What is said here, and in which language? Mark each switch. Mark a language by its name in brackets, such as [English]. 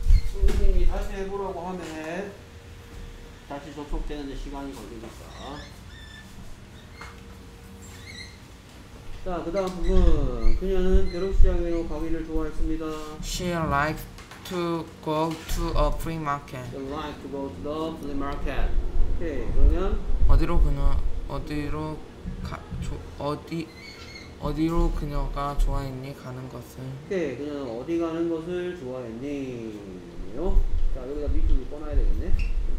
[Korean] 준비님이 다시 해보라고 하면 해. 다시 접속되는데 시간이 걸리니까. 자, 그 다음 부분. 그녀는 벼룩시장으로 가기를 좋아했습니다. [English] She likes to go to a flea market. She likes to go to the flea market. [Korean] 오케이. 그러면 어디로 그녀가 좋아했니 가는 것을? 오케이. 그녀는 어디 가는 것을 좋아했니요? 자, 여기다 밑줄을 꺼놔야 되겠네.